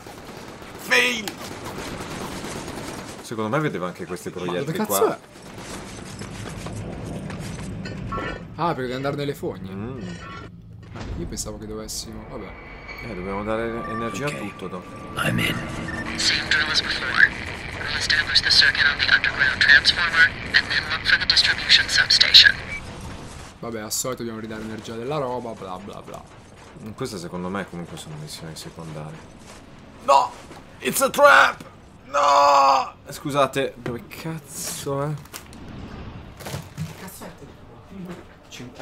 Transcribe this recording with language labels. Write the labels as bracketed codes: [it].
[it] Fail. Secondo me vedeva anche questi proiettili qua. Ma dove cazzo è? Ah, perché devi andare nelle fogne. Io pensavo che dovessimo. Vabbè. Dobbiamo dare energia a tutto dopo. [en] I'm in. Same drill as before. Establish the circuit on the underground transformer and then look for the distribution substation. [it] Vabbè, al solito dobbiamo ridare energia della roba, bla bla bla. Queste secondo me comunque sono missioni secondarie. [en] No! It's a trap! No! [it] Scusate, dove cazzo è? Che cazzo è qua?